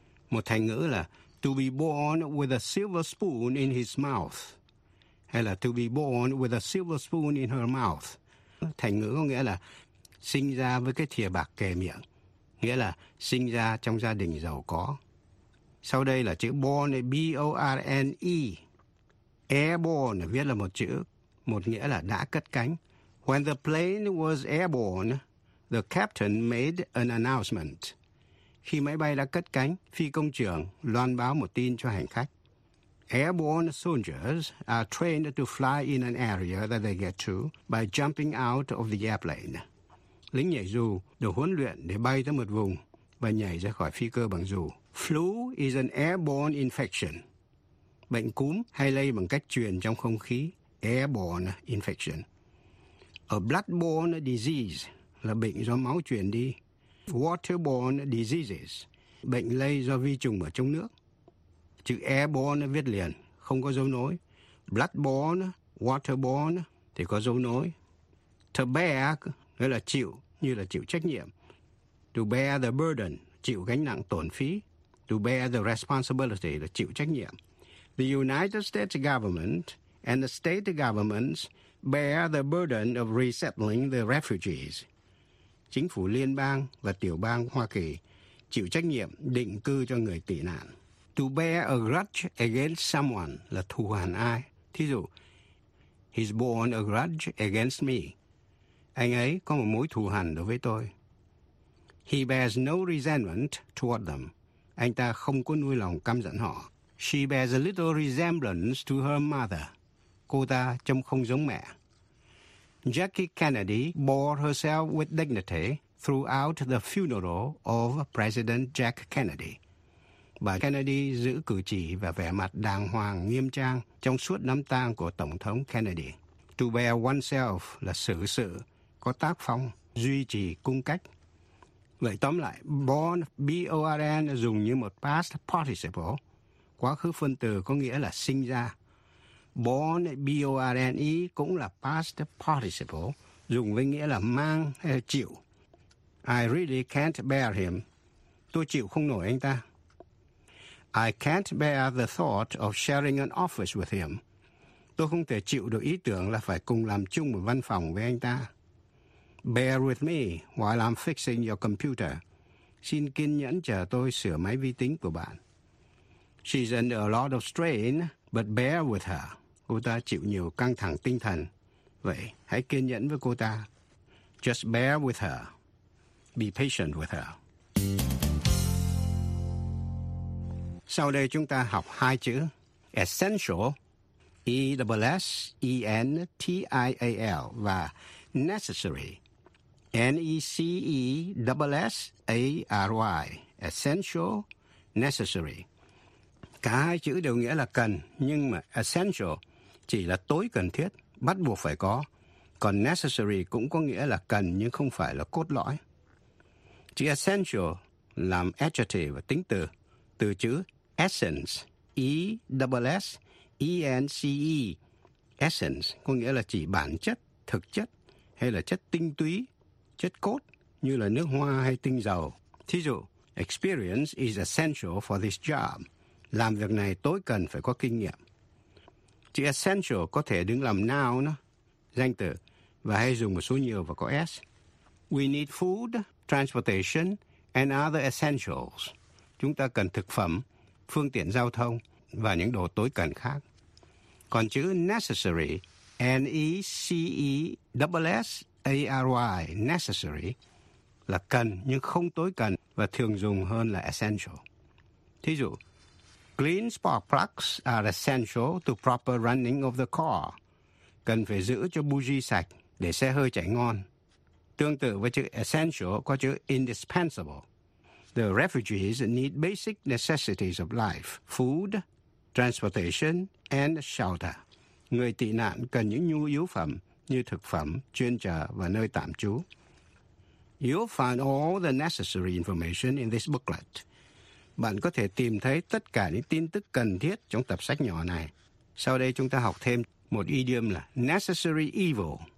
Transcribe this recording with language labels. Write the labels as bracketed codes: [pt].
[vi] Một thành ngữ là [en] to be born with a silver spoon in his mouth [vi] hay là [en] to be born with a silver spoon in her mouth. [vi] Thành ngữ có nghĩa là sinh ra với cái thìa bạc kề miệng, nghĩa là sinh ra trong gia đình giàu có. Sau đây là chữ born, B-O-R-N-E. Airborne viết là một chữ, một nghĩa là đã cất cánh. [en] When the plane was airborne, the captain made an announcement. [vi] Khi máy bay đã cất cánh, phi công trưởng loan báo một tin cho hành khách. [en] Airborne soldiers are trained to fly in an area that they get to by jumping out of the airplane. [vi] Lính nhảy dù được huấn luyện để bay tới một vùng và nhảy ra khỏi phi cơ bằng dù. [en] Flu is an airborne infection. [vi] Bệnh cúm hay lây bằng cách truyền trong không khí. [en] Airborne infection. A bloodborne disease [vi] là bệnh do máu truyền đi. [en] Waterborne diseases, [vi] bệnh lây do vi trùng ở trong nước. Chữ airborne viết liền, không có dấu nối. Bloodborne, waterborne thì có dấu nối. To bear, nghĩa là chịu, như là chịu trách nhiệm. [en] To bear the burden, [vi] chịu gánh nặng tổn phí. [en] To bear the responsibility, [vi] là chịu trách nhiệm. [en] The United States government and the state governments bear the burden of resettling the refugees. [vi] Chính phủ liên bang và tiểu bang Hoa Kỳ chịu trách nhiệm định cư cho người tị nạn. [en] To bear a grudge against someone [vi] là thù hằn ai. Thí dụ, [en] he's borne a grudge against me. [vi] Anh ấy có một mối thù hằn đối với tôi. [en] He bears no resentment toward them. [vi] Anh ta không có nuôi lòng căm giận họ. [en] She bears a little resemblance to her mother. [vi] Cô ta trông không giống mẹ. [en] Jackie Kennedy bore herself with dignity throughout the funeral of President Jack Kennedy. [vi] Bà Kennedy giữ cử chỉ và vẻ mặt đàng hoàng nghiêm trang trong suốt đám tang của Tổng thống Kennedy. To bear oneself là xử sự, có tác phong, duy trì cung cách. Vậy tóm lại, born, B-O-R-N dùng như một past participle, quá khứ phân từ có nghĩa là sinh ra. Born, B-O-R-N-E cũng là past participle, dùng với nghĩa là mang hay là chịu. [en] I really can't bear him. [vi] Tôi chịu không nổi anh ta. [en] I can't bear the thought of sharing an office with him. [vi] Tôi không thể chịu được ý tưởng là phải cùng làm chung một văn phòng với anh ta. [en] Bear with me while I'm fixing your computer. [vi] Xin kiên nhẫn chờ tôi sửa máy vi tính của bạn. [en] She's under a lot of strain, but bear with her. [vi] Cô ta chịu nhiều căng thẳng tinh thần. Vậy, hãy kiên nhẫn với cô ta. [en] Just bear with her. Be patient with her. [vi] Sau đây chúng ta học hai chữ. [en] Essential, E-S-S-E-N-T-I-A-L và necessary, N-E-C-E-S-S-A-R-Y. Essential, necessary. [vi] Cả hai chữ đều nghĩa là cần, nhưng mà essential chỉ là tối cần thiết, bắt buộc phải có. Còn necessary cũng có nghĩa là cần nhưng không phải là cốt lõi. Chữ essential làm adjective và tính từ. Từ chữ essence, E-S-S-E-N-C-E. Essence có nghĩa là chỉ bản chất, thực chất hay là chất tinh túy, chất cốt như là nước hoa hay tinh dầu. Thí dụ, [en] experience is essential for this job. [vi] Làm việc này tối cần phải có kinh nghiệm. Chữ essential có thể đứng làm noun, danh từ, và hay dùng một số nhiều và có S. [en] We need food, transportation, and other essentials. [vi] Chúng ta cần thực phẩm, phương tiện giao thông và những đồ tối cần khác. Còn chữ necessary, N-E-C-E-S-S-A-R-Y, necessary, là cần nhưng không tối cần và thường dùng hơn là essential. Thí dụ, [en] clean spark plugs are essential to proper running of the car. [vi] Cần phải giữ cho buji sạch để xe hơi chạy ngon. Tương tự với chữ essential có chữ indispensable. [en] The refugees need basic necessities of life, food, transportation, and shelter. [vi] Người tị nạn cần những nhu yếu phẩm như thực phẩm, chuyên chở và nơi tạm trú. [en] You'll find all the necessary information in this booklet. [vi] Bạn có thể tìm thấy tất cả những tin tức cần thiết trong tập sách nhỏ này. Sau đây chúng ta học thêm một idiom là [en] necessary evil.